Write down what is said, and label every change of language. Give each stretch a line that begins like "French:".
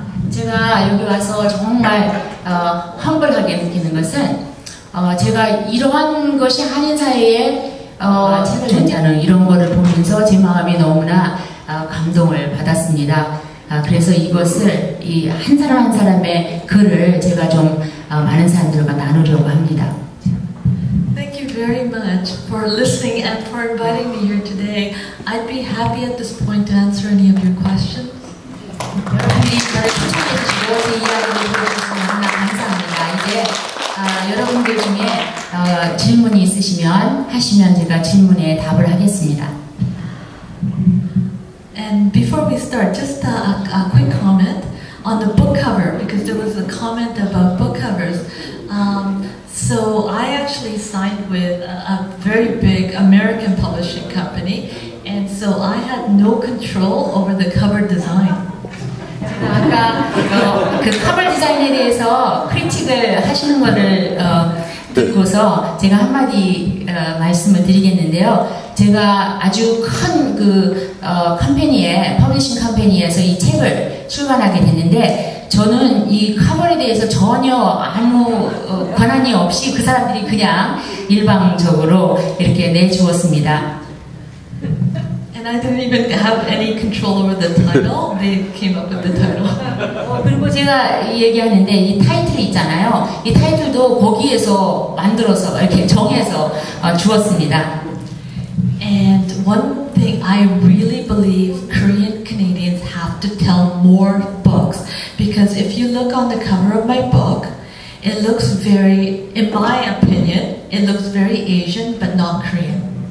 Korean: 제가 여기 와서 정말 환불하게 느끼는 것은 제가 이러한 것이 한인 사회에 책을 냈다는 이런 거를 보면서 제 마음이 너무나 감동을 받았습니다. 그래서 이것을 이 한 사람 한 사람의 글을 제가 좀 많은 사람들과 나누려고 합니다.
English: Thank you very much for listening and for inviting me here today. I'd be happy at this point to answer any of your questions.
Korean: 여러분이 저를 초청해 주시고 이 이야기를 들어주셔서 너무나 감사합니다. 이제 여러분들 중에 질문이 있으시면 하시면 제가 질문에 답을 하겠습니다.
English: And before we start, just a quick comment on the book cover, because there was a comment about book covers. So I actually signed with a very big American publishing company, and so I had no control over the cover design.
Korean: 아까 그 커버 디자인에 대해서 크리틱을 하시는 거를 듣고서 제가 한마디 말씀을 드리겠는데요. 제가 아주 큰 그 컴퍼니에 퍼블리싱 컴퍼니에서 이 책을 출간하게 됐는데 저는 이 커버에 대해서 전혀 아무 권한이 없이 그 사람들이 그냥 일방적으로 이렇게 내주었습니다.
English: And I didn't even have any control over the title. They came up with the title.
Korean: 그리고 제가 얘기하는데 이 타이틀 있잖아요. 이 타이틀도 거기에서 만들어서 이렇게 정해서 주었습니다.
English: And one thing I really believe Korean Canadians have to tell more books, because if you look on the cover of my book, it looks very, in my opinion, it looks very Asian but not Korean.